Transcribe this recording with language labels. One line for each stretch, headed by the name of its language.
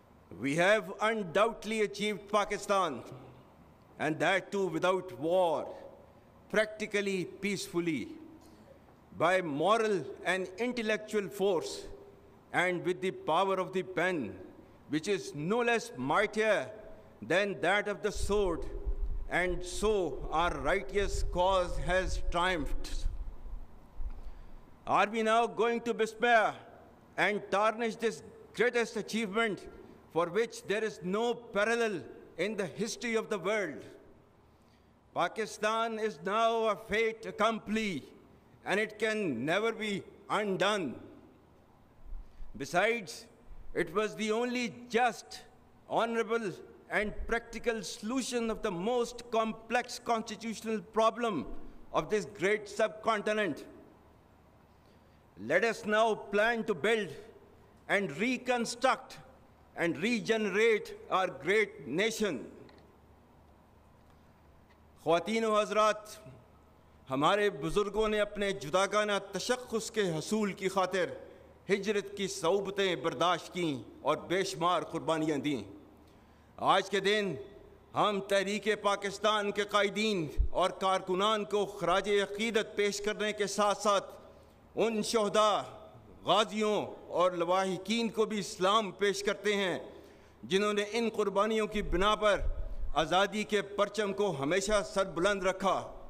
English: We have undoubtedly achieved Pakistan and that too without war, practically peacefully, by moral and intellectual force and with the power of the pen, which is no less mightier than that of the sword, and so our righteous cause has triumphed. Are we now going to despair and tarnish this greatest achievement for which there is no parallel in the history of the world? Pakistan is now a fait accompli, and it can never be undone. Besides, it was the only just, honorable, and practical solution of the most complex constitutional problem of this great subcontinent. Let us now plan to build and reconstruct and regenerate our great nation.
Urdu: خواتین و حضرات ہمارے بزرگوں نے اپنے جداگانہ تشخص کے حصول کی خاطر ہجرت کی صعوبتیں برداشت کی اور بے شمار قربانیاں دیں آج کے دن ہم تحریک پاکستان کے قائدین اور کارکنان کو خراج عقیدت پیش کرنے کے ساتھ ساتھ ان شہداء غازیوں اور لواحقین کو بھی سلام پیش کرتے ہیں جنہوں نے ان قربانیوں کی بنا پر آزادی کے پرچم کو ہمیشہ سر بلند رکھا